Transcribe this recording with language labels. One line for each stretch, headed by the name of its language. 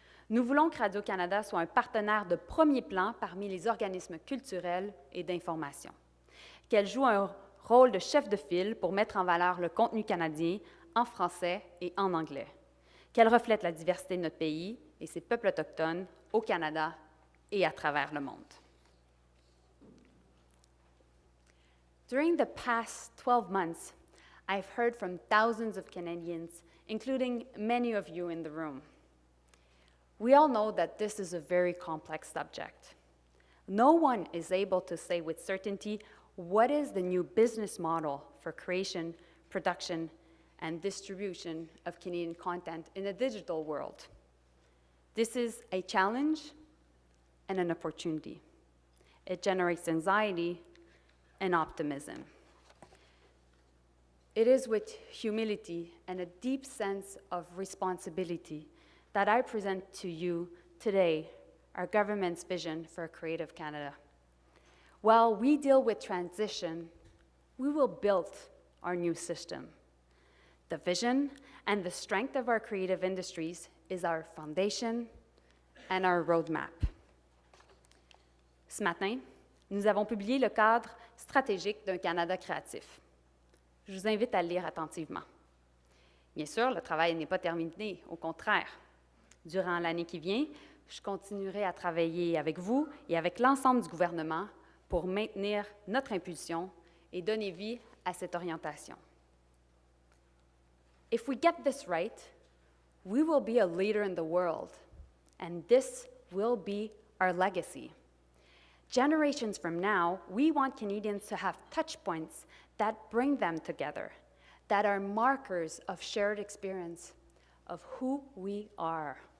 French: Nous voulons que Radio-Canada soit un partenaire de premier plan parmi les organismes culturels et d'information. Qu'elle joue un rôle de chef de file pour mettre en valeur le contenu canadien en français et en anglais, qu'elle reflète la diversité de notre pays et ses peuples autochtones au Canada et à travers le monde.
English: During the past 12 months, I've heard from thousands of Canadians, including many of you in the room. We all know that this is a very complex subject. No one is able to say with certainty what is the new business model for creation, production, and distribution of Canadian content in the digital world? This is a challenge and an opportunity. It generates anxiety and optimism. It is with humility and a deep sense of responsibility that I present to you today our government's vision for a creative Canada. While we deal with transition, we will build our new system. The vision and the strength of our creative industries is our foundation and our roadmap.
French: Ce matin, nous avons publié le cadre stratégique d'un Canada créatif. Je vous invite à le lire attentivement. Bien sûr, le travail n'est pas terminé, au contraire. Durant l'année qui vient, je continuerai à travailler avec vous et avec l'ensemble du gouvernement pour maintenir notre impulsion et donner vie à cette orientation.
English: If we get this right, we will be a leader in the world, and this will be our legacy. Generations from now, we want Canadians to have touch points that bring them together, that are markers of shared experience, of who we are.